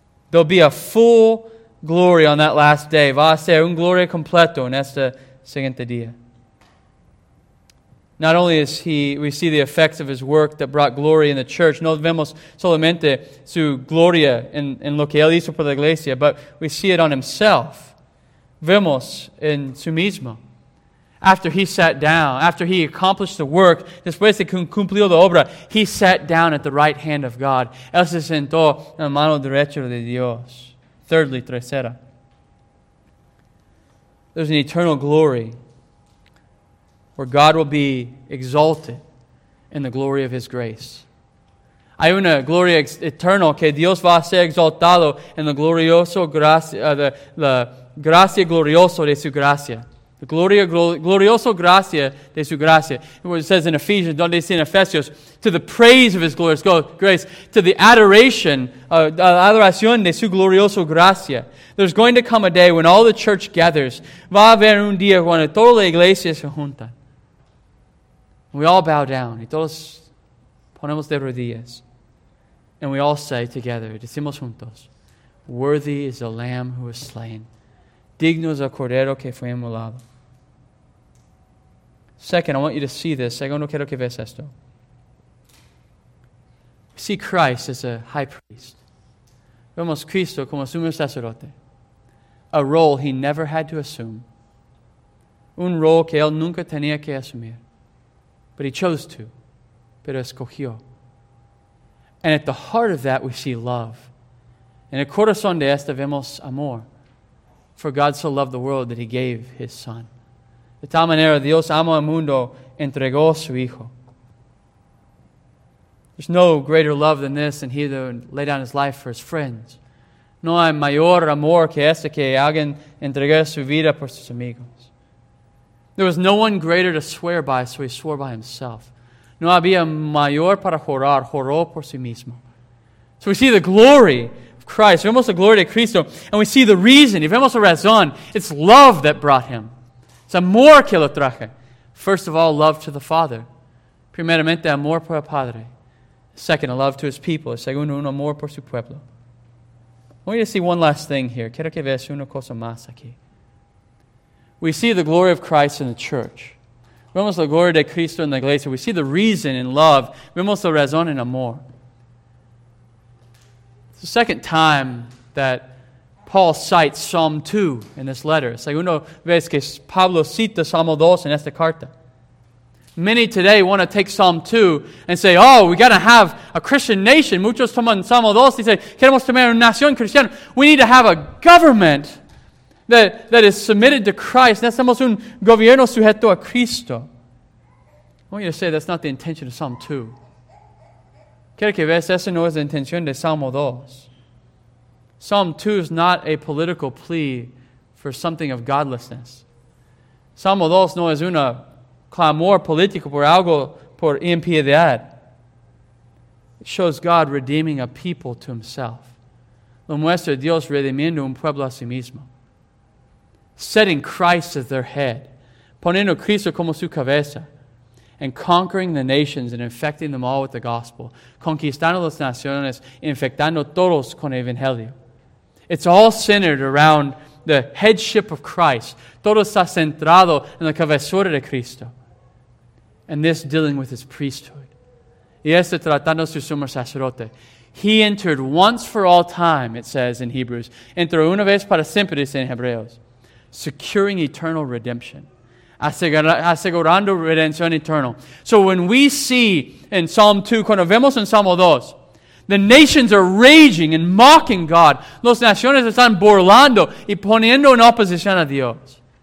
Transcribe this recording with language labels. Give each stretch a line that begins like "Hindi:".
English: There'll be a full glory on that last day.
Spanish: Va a ser un gloria completo en este siguiente día.
English: Not only is he, we see the effects of his work that brought glory in the church.
Spanish: No vemos solamente su gloria en lo que él hizo por la iglesia,
English: but we see it on himself.
Spanish: Vemos en su mismo.
English: After he sat down, after he accomplished the work,
Spanish: después de cumplió la obra,
English: he sat down at the right hand of God.
Spanish: Él se sentó en la mano derecha de Dios.
English: Thirdly,
Spanish: tercera.
English: There's an eternal glory where God will be exalted in the glory of His grace.
Spanish: Hay una gloria eterna que Dios va a ser exaltado en la glorioso gracia, la gracia glorioso de su gracia. The gloria glorioso gracia de su gracia.
English: What it says in Ephesians, don't they say in Ephesians, to the praise of His glorious grace, to the adoration,
Spanish: adoración de su glorioso gracia.
English: There's going to come a day when all the church gathers.
Spanish: Va a haber un día cuando toda la iglesia se junta.
English: We all bow down.
Spanish: Y todos ponemos de rodillas.
English: And we all say together,
Spanish: decimos juntos,
English: worthy is the Lamb who was slain.
Spanish: Digno es el Cordero que fue inmolado.
English: Second, I want you to see this.
Spanish: Segundo, quiero que veas esto.
English: See Christ as a high priest.
Spanish: Vemos Cristo como sumo sacerdote.
English: A role He never had to assume.
Spanish: Un role que Él nunca tenía que asumir.
English: But He chose to.
Spanish: Pero escogió.
English: And at the heart of that, we see love.
Spanish: En el corazón de esta vemos amor.
English: For God so loved the world that He gave His Son.
Spanish: De tal manera, Dios amó al mundo, entregó su Hijo.
English: There's no greater love than this than He to lay down His life for His friends.
Spanish: No hay mayor amor que este que alguien entregue su vida por sus amigos.
English: There was no one greater to swear by, so He swore by Himself.
Spanish: No había mayor para jurar, juró por sí mismo.
English: So we see the glory Christ,
Spanish: vemos la gloria de Cristo,
English: and we see the reason,
Spanish: y vemos la razón,
English: it's love that brought Him.
Spanish: Es amor que lo traje.
English: First of all, love to the Father.
Spanish: Primeramente, amor por el Padre.
English: Second, a love to His people.
Spanish: Segundo, un amor por su pueblo.
English: I want you to see one last thing here.
Spanish: Quiero que veas una cosa más aquí.
English: We see the glory of Christ in the church.
Spanish: Vemos la gloria de Cristo en la iglesia.
English: We see the reason in love.
Spanish: Vemos la razón en amor.
English: It's the second time that Paul cites Psalm 2 in this letter.
Spanish: Segundo vez que Pablo cita Salmo 2 en esta carta.
English: Many today want to take Psalm 2 and say, oh, we got to have a Christian nation.
Spanish: Muchos toman Salmo 2 y say, queremos tener una nación cristiana.
English: We need to have a government that is submitted to Christ.
Spanish: Necesitamos un gobierno sujeto a Cristo.
English: I want you to say that's not the intention of Psalm 2.
Spanish: Quiero que veas, esa no es la intención de Salmo 2.
English: Psalm 2 is not a political plea for something of godlessness.
Spanish: Salmo 2 no es una clamor político por algo por impiedad.
English: It shows God redeeming a people to Himself.
Spanish: Lo muestra Dios redimiendo un pueblo a sí mismo.
English: Setting Christ as their head.
Spanish: Poniendo Cristo como su cabeza.
English: And conquering the nations and infecting them all with the gospel.
Spanish: Conquistando las naciones, infectando todos con el evangelio.
English: It's all centered around the headship of Christ.
Spanish: Todo está centrado en la cabezura de Cristo.
English: And this dealing with His priesthood.
Spanish: Y este tratando su sumo sacerdote.
English: He entered once for all time, it says in Hebrews.
Spanish: Entró una vez para siempre, dice en Hebreos.
English: Securing eternal redemption.
Spanish: Asegurando redención eterna.
English: So when we see in Psalm 2,
Spanish: cuando vemos en Salmo 2,
English: the nations are raging and mocking God.
Spanish: Los naciones están burlando y poniendo en oposición a Dios.